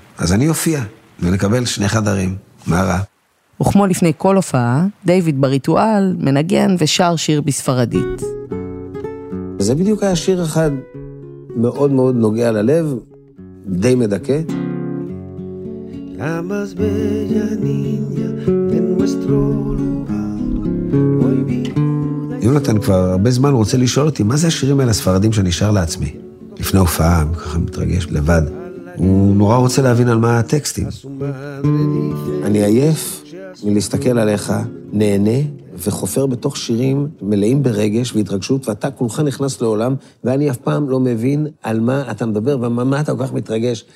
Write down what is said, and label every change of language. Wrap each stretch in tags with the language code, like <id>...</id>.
<he>אז אני אופיע, ונקבל 2 חדרים. מה רע? וכמו לפני כל הופעה, דיוויד בריטואל מנגן ושר שיר בספרדית. זה בדיוק היה שיר אחד מאוד מאוד נוגע ללב, די מדכא.</he> <es>La más bella niña de nuestro lugar hoy vivo.</es> <he>יונתן כבר הרבה זמן רוצה לשאול אותי מה זה השירים האלה הספרדים שנשאר לעצמי לפני הופעה, ככה מתרגש לבד. הוא נורא רוצה להבין על מה הטקסטים. אני עייף מלהסתכל עליך נהנה וחופר בתוך שירים מלאים ברגש והתרגשות, ואתה כולך נכנס לעולם, ואני אף פעם לא מבין על מה אתה מדבר ומה אתה כל כך מתרגש.</he>